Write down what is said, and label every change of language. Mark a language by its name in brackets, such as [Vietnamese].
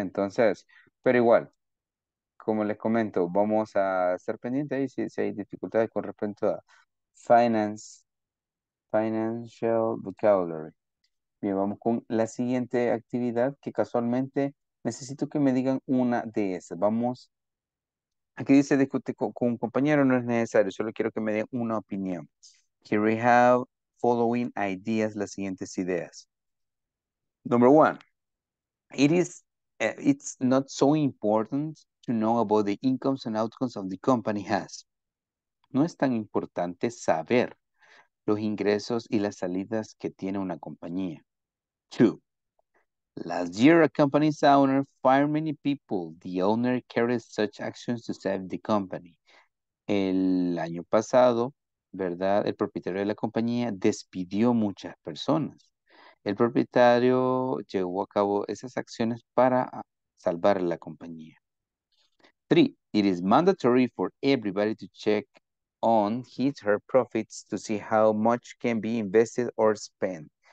[Spanish] Entonces, pero igual, como les comento, vamos a estar pendientes ahí si hay dificultades con respecto a financial vocabulary. Bien, vamos con la siguiente actividad que casualmente necesito que me digan una de esas. Vamos. Aquí dice discute con un compañero, no es necesario, solo quiero que me dé una opinión. [English] Here we have following ideas, [Spanish] las siguientes ideas. [English] Number one, it's not so important to know about the incomes and outcomes of the company has. [Spanish] No es tan importante saber los ingresos y las salidas que tiene una compañía. [English] Two, last year, a company's owner fired many people. The owner carried such actions to save the company. [Spanish] El año pasado, ¿verdad? El propietario de la compañía despidió muchas personas. El propietario llevó a cabo esas acciones para salvar la compañía. [English] Three, it is mandatory for everybody to check on his or her profits to see how much can be invested or spent.